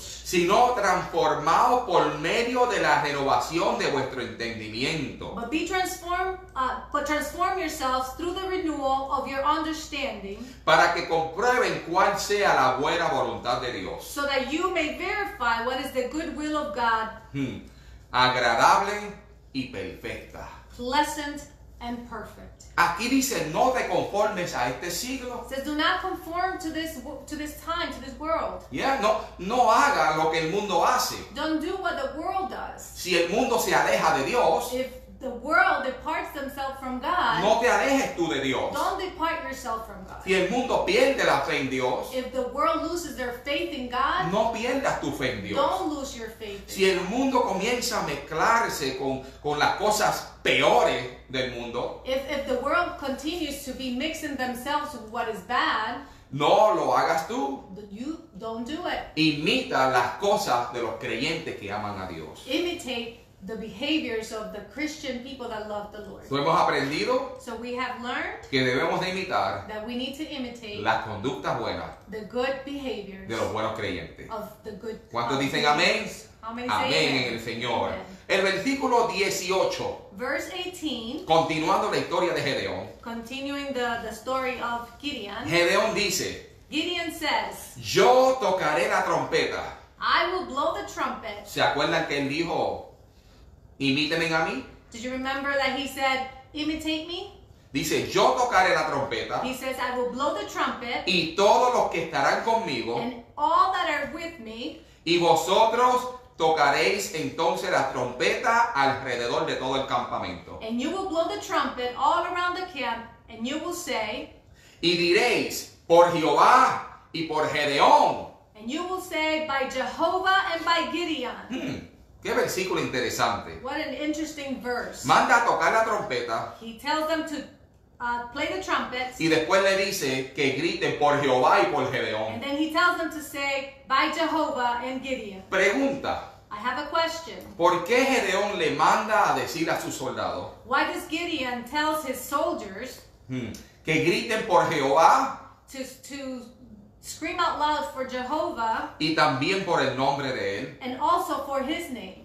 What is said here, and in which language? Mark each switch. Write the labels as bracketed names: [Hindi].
[Spanish] sino transformaos por medio de la renovación de vuestro entendimiento, [English] but transform yourselves through the renewal of your understanding, [Spanish] para que comprueben cuál sea la buena voluntad de Dios, [English] so that you may verify what is the good will of God, [Spanish] agradable y perfecta. [English] Pleasant and perfect. [Spanish] Aquí dice, no te conformes a este siglo. [English] It says, do not conform to this time, to this world. [Spanish] Yeah, no haga lo que el mundo hace. [English] Don't do what the world does. [Spanish] Si el mundo se aleja de Dios. [English] If the world departs themselves from God. [Spanish] No te alejes tú de Dios. [English] Don't depart yourself from God. [Spanish] Si el mundo pierde la fe en Dios. [English] If the world loses their faith in God. [Spanish] No pierdas tu fe en Dios. [English] Don't lose your faith. [Spanish] Si el mundo comienza a mezclarse con las cosas peores del mundo. [English] If the world continues to be mixing themselves with what is bad. [Spanish] No lo hagas tú. [English] You don't do it. [Spanish] Imita las cosas de los creyentes que aman a Dios. [English] Imitate the behaviors of the Christian people that love the Lord. [Spanish] So, hemos aprendido, [English] so we have learned [Spanish] que debemos de imitar, [English] that we need to imitate [Spanish] las conductas buenas, [English] the good behaviors [Spanish] de los buenos creyentes. [English] Of the good. [Spanish] ¿Cuántos dicen amén? Amén en el Señor. El versículo 18. [English] Verse 18. [Spanish] Continuando la historia de Gedeón. [English] Continuing the story of Gideon. [Spanish] Gedeón dice. [English] Gideon says. [Spanish] Yo tocaré la trompeta. [English] I will blow the trumpet. [Spanish] ¿Se acuerdan que él dijo? Imítenme a mí. [English] Did you remember that he said, imitate me? [Spanish] Dice, yo tocaré la trompeta. [English] He says, I will blow the trumpet. [Spanish] Y todos los que estarán conmigo. [English] And all that are with me. [Spanish] Y vosotros tocaréis entonces la trompeta alrededor de todo el campamento. [English] And you will blow the trumpet all around the camp. And you will say. [Spanish] Y diréis, por Jehová y por Gedeón. [English] And you will say, by Jehovah and by Gideon. [Spanish] Qué versículo interesante. [English] What an interesting verse. [Spanish] Manda a tocar la trompeta. [English] He tells them to play the trumpets. [Spanish] Y después le dice que griten por Jehová y por Gedeón. [English] And then he tells them to say by Jehovah and Gideon. [Spanish] Pregunta. [English] I have a question. [Spanish] ¿Por qué Gedeón le manda a decir a sus soldados? [English] Why does Gideon tells his soldiers [Spanish] que griten por Jehová? [English] To Scream out loud for Jehovah. [Spanish] Y también por el nombre de él. [English] And also for his name.